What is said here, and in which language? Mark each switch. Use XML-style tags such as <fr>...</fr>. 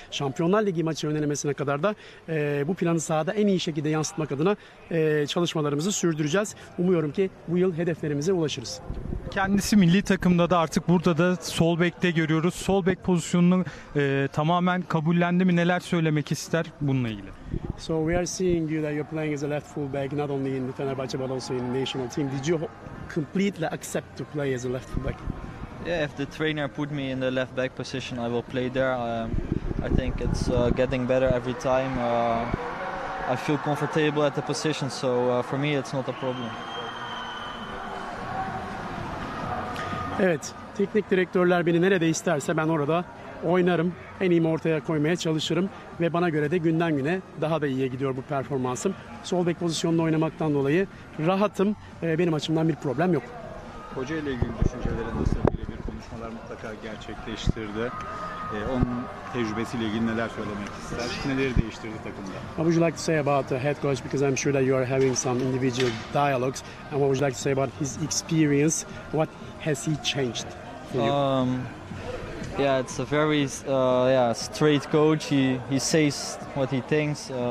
<tr>Şampiyonlar Ligi maçı önlemesine kadar da bu planı sahada en iyi şekilde yansıtmak adına çalışmalarımızı sürdüreceğiz. Umuyorum ki bu yıl hedeflerimize ulaşırız. Kendisi milli takımda da artık burada da sol bekte görüyoruz. Sol bek pozisyonunu tamamen kabullendi mi? Neler söylemek ister bununla ilgili?</tr> <en>So we are seeing you that you're playing as a left fullback not only in the Fenerbahçe but also in the national team. Did you completely accept to play as a left fullback? Yeah, if the trainer put me in the left back position, I will play there. I think it's getting better every time. I feel comfortable at the position, so for me it's not a problem.</en> <tr>Evet, teknik direktörler beni nerede isterse ben orada oynarım, en iyimi ortaya koymaya çalışırım ve bana göre de günden güne daha da iyiye gidiyor bu performansım. Sol bek pozisyonunda oynamaktan dolayı rahatım, benim açımdan bir problem yok. Hoca ile ilgili düşünceleri nasıl, birebir konuşmalar mutlaka gerçekleştirdi. Onun tecrübesiyle ilgili neler söylemek ister, neleri değiştirdi takımda?</tr> <en>What would you like to say about the head coach, because I'm sure that you are having some individual dialogues, and what would you like to say about his experience, what has he changed for you? Yeah, it's a very straight coach. He says what he thinks.</en>